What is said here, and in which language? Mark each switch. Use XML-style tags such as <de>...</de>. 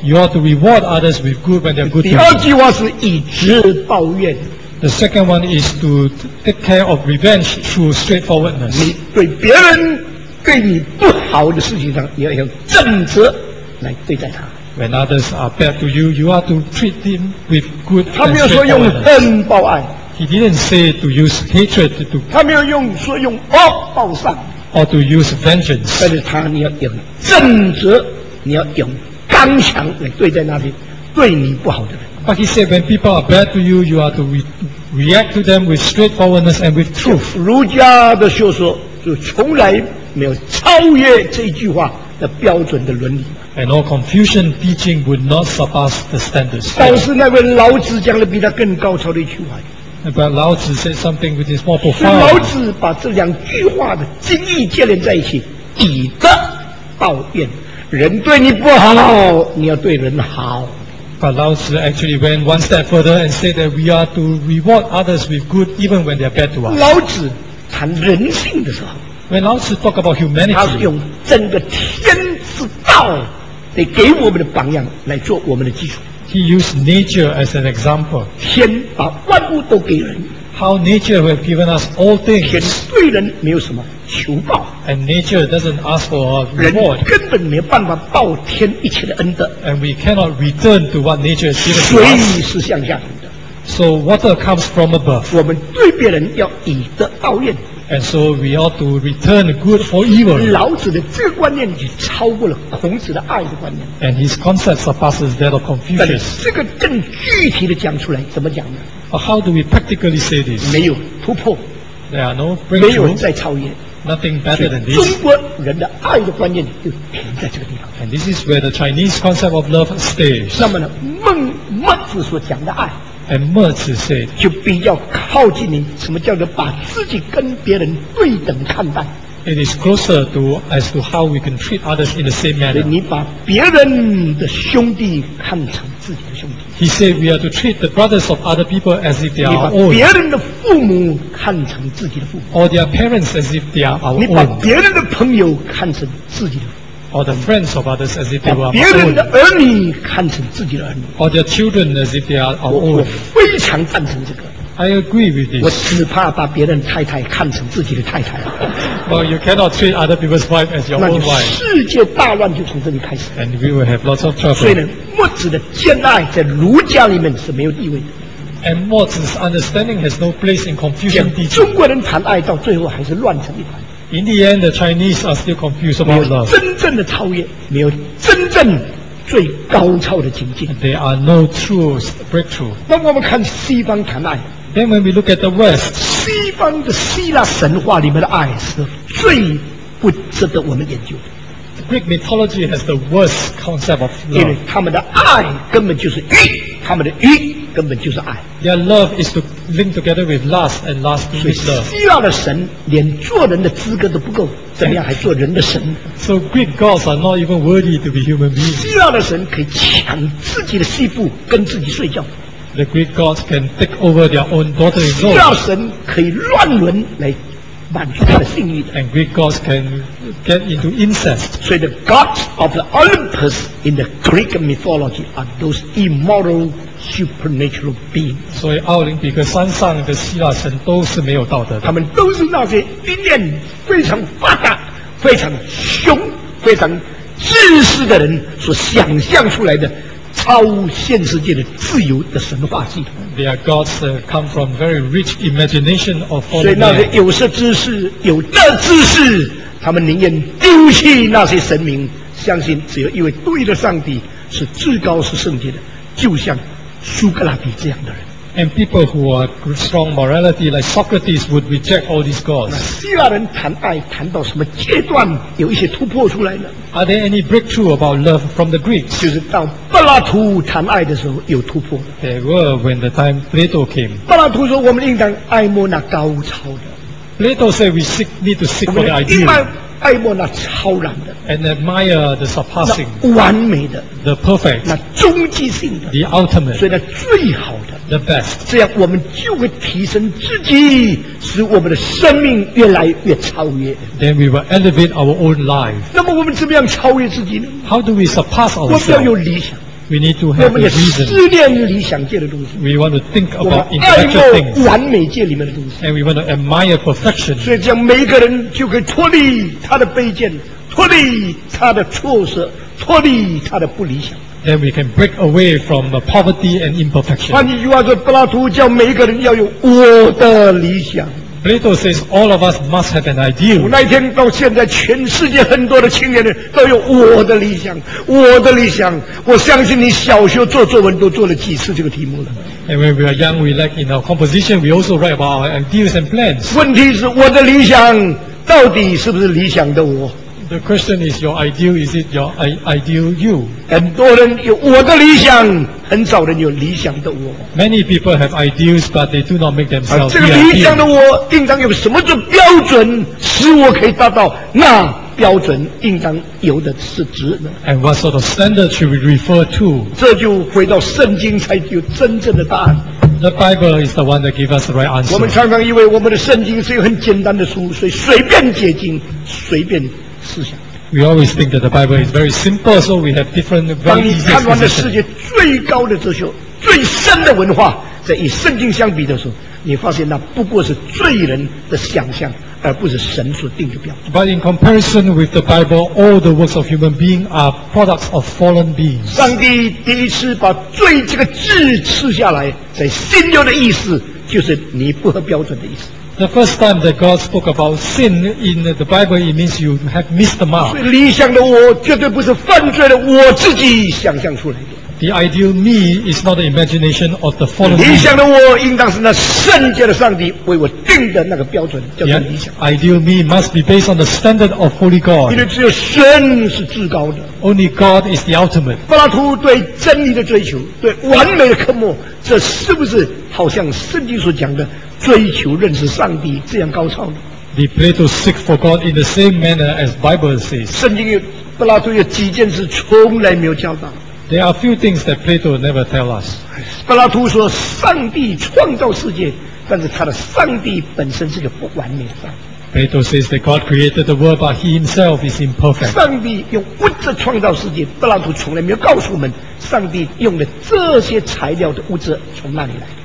<en>You ought to reward others with good when they're good to you.</en> <zh>第二句话是以直报怨。</zh> <en>The second one is to take care of revenge through straightforwardness.</en> <zh>你对别人对你不好的事情上，你要用正直来对待他。</zh> <en>When others are bad to you, you are to treat them with good.</en> <zh>他没有说用恨报爱。</zh> <en>He didn't say to use hatred to.</en> <zh>他没有用说用恶报善。</zh> <en>Or to use vengeance.</en> <zh>但是他你要用正直，你要用刚强来对待那些对你不好的人。</zh> <en>But he said, when people are bad to you, you are to react to them with straightforwardness and with truth.</en> <zh>儒家的学说就从来没有超越这句话的标准的伦理。</zh> <en>And all Confucian teaching would not surpass the standards.</en> <zh>但是那位老子讲了比他更高超的一句话。</zh> <en>But 老子 said something which is more profound.</en> <zh>老子把这两句话的精义接连在一起，以德报怨。人对你不好，你要对人好。</zh> <en>But Lao Tzu actually went one step further and said that we are to reward others with good even when they are bad to us.</en> <zh>老子谈人性的时候，</zh> <en>When Lao Tzu talk about humanity,</en> <zh>他是用整个天之道来给我们的榜样来做我们的基础。</zh> <en>He used nature as an example.</en> <zh>天把万物都给人。</zh> <en>How nature has given us all things.</en> <zh>天对人没有什么求报。</zh> <en>And nature doesn't ask for a reward.</en> <zh>人根本没有办法报天一切的恩德。</zh> <en>And we cannot return to what nature has given us.</en> <zh>水是向下的。</zh> <en>So water comes from above.</en> <zh>我们对别人要以德报怨。</zh> <en>And so we ought to return good for evil.</en> <zh>老子的这个观念已经超过了孔子的爱的观念。</zh> <en>And his concept surpasses that of Confucius.</en> <zh>但这个更具体的讲出来，怎么讲呢？</zh> <en>How do we practically say this?</en> <zh>没有突破。</zh> <en>There are no breakthroughs.</en> <zh>没有人再超越。</zh> <en>nothing better than this.</en> <zh>中国人的爱的观念就停在这个地方。</zh> <en>And this is where the Chinese concept of love stays.</en> <zh>那么呢，孟孟子所讲的爱</zh> <en>，And 孟子 said，</en> <zh>就比较靠近你。什么叫做把自己跟别人对等看待</zh> <en>？It is closer to as to how we can treat others in the same manner.</en> <zh>你把别人的兄弟看成自己的兄弟。</zh> <en>He said we are to treat the brothers of other people as if they are our own.</en> <zh>你把别人的父母看成自己的父母。</zh> <en>Or their parents as if they are our own.</en> <zh>你把别人的朋友看成自己的父母。</zh> <en>Or the friends of others as if they were our own.</en> <zh>别人的儿女看成自己的儿女。</zh> <en>Or their children as if they are our own.</en> <zh>我非常赞成这个。</zh> <en>I agree with this.</en> <zh>我只怕把别人太太看成自己的太太。</zh> <en>Well, you cannot treat other people's wife as your own wife.</en> <zh>世界大乱就从这里开始。</zh> <en>And we will have lots of trouble.</en> <zh>所以呢，墨子的兼爱在儒家里面是没有地位的。</zh> <en>And Mozi's understanding has no place in Confucian teaching.</en> <zh>中国人谈爱到最后还是乱成一团。</zh> <en>In the end, the Chinese are still confused about love.</en> <zh>没有真正的超越，没有真正最高超的境界。</zh> <en>There are no true breakthrough.</en> <zh>那我们看西方谈爱。</zh> <en>Then when we look at the West,</en> <zh>西方的希腊神话里面的爱是最不值得我们研究的。</zh> <en>The Greek mythology has the worst concept of love.</en> <zh>因为他们的爱根本就是欲，他们的欲根本就是爱。</zh> <en>Their love is to link together with lust and lust with love.</en> <zh>所以希腊的神连做人的资格都不够，怎么样还做人的神</zh> <en>？So Greek gods are not even worthy to be human beings.</en> <zh>希腊的神可以抢自己的媳妇跟自己睡觉。</zh> <en>The Greek gods can take over their own daughter-in-law.</en> <zh>希腊神可以乱伦来满足他的性欲。</zh> <en>And Greek gods can get into incest.</en> <zh>所以</zh> <en>the gods of the Olympus in the Greek mythology are those immoral supernatural beings.</en> <zh>所以奥林匹克山上的希腊神都是没有道德的。他们都是那些经验非常发达、非常凶、非常自私的人所想象出来的。超现实界的自由的神话系统。</zh> <en>They are gods that come from very rich imagination of all.</en> <zh>所以那些有色之士、有德之士，他们宁愿丢弃那些神明，相信只有一位对的上帝是至高、是圣洁的，就像苏格拉底这样的人。</zh> <en>And people who are strong morality like Socrates would reject all these gods.</en> <zh>希腊人谈爱谈到什么阶段有一些突破出来了</zh> <en>？Are there any breakthrough about love from the Greeks?</en> <zh>就是到柏拉图谈爱的时候有突破。</zh> <en>There were when the time Plato came.</en> <zh>柏拉图说我们应当爱慕那高超的。</zh> <en>Plato said we need to seek for the ideal.</en> <zh>爱慕那超然的</zh> <en>，and admire the surpassing，</en> <zh>那完美的</zh> <en>，the perfect，</en> <zh>那终极性的</zh> <en>，the ultimate，</en> <zh>所以那最好的</zh> <en>，the best，</en> <zh>这样我们就会提升自己，使我们的生命越来越超越。</zh> <en>Then we will elevate our own life。</en> <zh>那么我们怎么样超越自己呢</zh> <en>？How do we surpass ourselves？</en> <zh>我们要有理想。</zh> <en>We need to have a reason.</en> <zh>我们要思念理想界的东西。</zh> <en>We want to think about intellectual things.</en> <zh>我们爱慕完美界里面的东西。</zh> <en>And we want to admire perfection.</en> <zh>所以这样每一个人就可以脱离他的卑贱，脱离他的挫折，脱离他的不理想。</zh> <en>Then we can break away from the poverty and imperfection.</en> <zh>换句话说，柏拉图叫每一个人要有我的理想。</zh> <en>Plato says all of us must have an ideal.</en> <zh>从那天到现在，全世界很多的青年人都有我的理想，我的理想。我相信你小学做作文都做了几次这个题目了。</zh> <en>And when we are young, we like in our composition, we also write about our ideals and plans.</en> <zh>问题是我的理想到底是不是理想的我</zh> <en>？The question is your ideal. Is it your ideal you?</en> <zh>很多人有我的理想，很少人有理想的我。</zh> <en>Many people have ideals, but they do not make themselves.</en> <zh>这个理想的我应当有什么的标准，使我可以达到那标准应当有的是值呢</zh> <en>？And what sort of standard should we refer to？</en> <zh>这就回到圣经才有真正的答案。</zh> <en>The Bible is the one that gives us the right answer.</en> <zh>我们常常以为我们的圣经是一个很简单的书，所以随便解经，随便思想。</zh> <en>We always think that the Bible is very simple, so we have different very easy positions.</en> <zh>当你看完了世界最高的哲学、最深的文化，在与圣经相比的时候，你发现那不过是罪人的想象，而不是神所定的标准。</zh> <en>But in comparison with the Bible, all the works of human beings are products of fallen beings.</en> <zh>上帝第一次把罪这个字赐下来，在新约的意思。就是你不合标准的意思。</zh> <en>The first time that God spoke about sin in the Bible, it means you have missed the mark.</en> <zh>理想的我绝对不是犯罪的，我自己想象出来的。</zh> <en>The ideal me is not the imagination of the fallen me.</en> <zh>理想的我应当是那圣洁的上帝为我定的那个标准，叫做理想。</zh> <en>The ideal me must be based on the standard of holy God.</en> <zh>因为只有神是至高的。</zh> <en>Only God is the ultimate.</en> <zh>柏拉图对真理的追求，对完美的渴慕，这是不是好像圣经所讲的？追求认识上帝这样高超的。</zh> <en>The Plato seek for God in the same manner as Bible says.</en> <zh>圣经有柏拉图有几件事从来没有教导。</zh> <en>There are few things that Plato never tell us.</en> <zh>柏拉图说上帝创造世界，但是他的上帝本身是个不完美的上帝。</zh> <en>Plato says that God created the world, but He Himself is imperfect.</en> <zh>上帝用物质创造世界，柏拉图从来没有告诉我们，上帝用的这些材料的物质从哪里来。</zh>